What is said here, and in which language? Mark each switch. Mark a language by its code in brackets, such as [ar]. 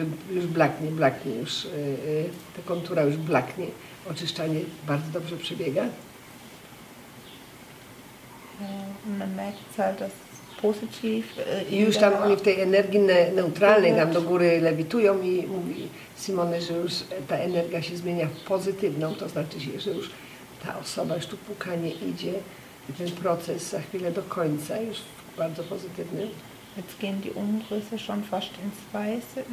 [pl] Już blaknie, blaknie już. Ta kontura już blaknie. Oczyszczanie bardzo dobrze przebiega. [de] Man merkt halt, dass positiv. [pl] Już tam oni w tej energii neutralnej tam do góry lewitują i mówi Simone, że już ta energia się zmienia w pozytywną, to znaczy się, że już ta osoba, już tu pukanie idzie i ten proces za chwilę do końca, już bardzo pozytywny. [de] Jetzt gehen die Umrisse schon fast ins Weiße.